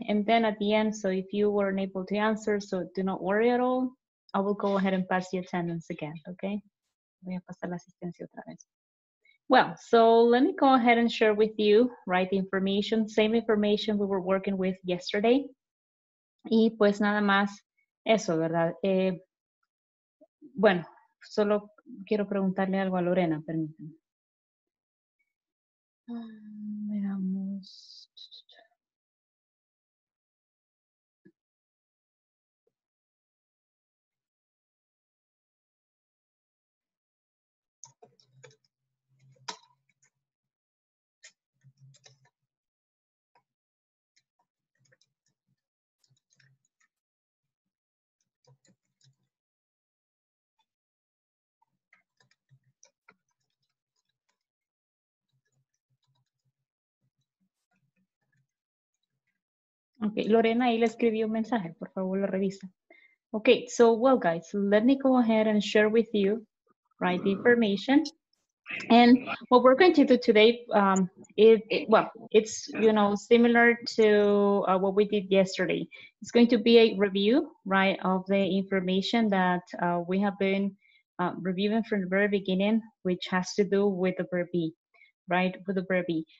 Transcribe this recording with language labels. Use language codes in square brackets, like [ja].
[en] And then at the end, so if you weren't able to answer, so do not worry at all. I will go ahead and pass the attendance again, okay? [es] Voy a pasar la asistencia otra vez. [en] Well, so let me go ahead and share with you, right, the information, same information we were working with yesterday. [es] Y pues nada más eso, ¿verdad? Bueno, solo quiero preguntarle algo a Lorena, permítanme. Veamos. Okay, Lorena, ahí le escribió un mensaje, por favor, lo revisa. [en] Okay, so, well, guys, let me go ahead and share with you, right, the information. And what we're going to do today, it's, you know, similar to what we did yesterday. It's going to be a review, right, of the information that we have been reviewing from the very beginning, which has to do with the verb be, right, with the verb be.